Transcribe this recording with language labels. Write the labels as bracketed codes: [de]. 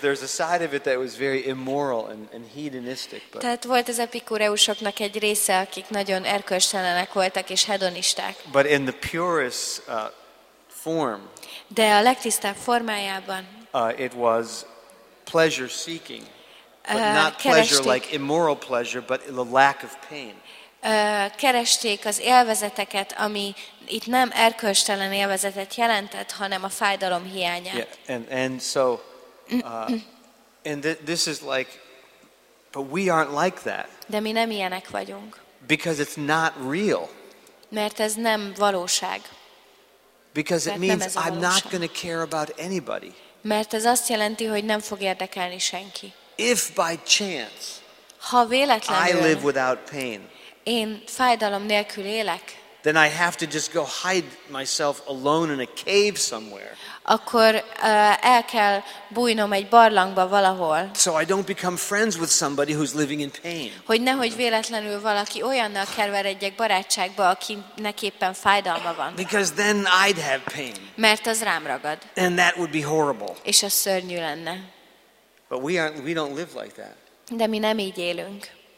[en] There's a side of it that was very immoral and hedonistic. But. [hu] Tehát volt az epikúreusoknak egy része, akik nagyon erkölcstelenek voltak és hedonisták. [en] But in the purest form. [hu] De a legtisztább formájában. [en] It was pleasure seeking, but not pleasure like immoral pleasure, but the lack of pain. [hu] Keresték az élvezeteket, ami itt nem erkölcstelen élvezetet jelentett, hanem a fájdalom hiányát. [en] Yeah, and so and this is like, but we aren't like that. [hu] De mi nem ilyenek vagyunk. [en] Because it's not real. [hu] Mert ez nem valóság. [en] Because it means I'm not going to care about anybody. [hu] Mert ez azt jelenti, hogy nem fog érdekelni senki. [en] If by chance, [hu] ha véletlenül, [en] I live without pain. [hu] Én fájdalom nélkül élek. [en] Then I have to just go hide myself alone in a cave somewhere. [hu] Akkor el kell bújnom egy barlangba valahol. [en] So I don't become friends with somebody who's living in pain. [hu] Hogy nehogy véletlenül valaki olyannal keveredjek barátságba, akinek éppen fájdalma van. [en] Because then I'd have pain. [hu] Mert az rám ragad. [en] And that would be horrible. [hu] És az szörnyű lenne. [en] But we don't live like that. [hu] De mi nem így élünk.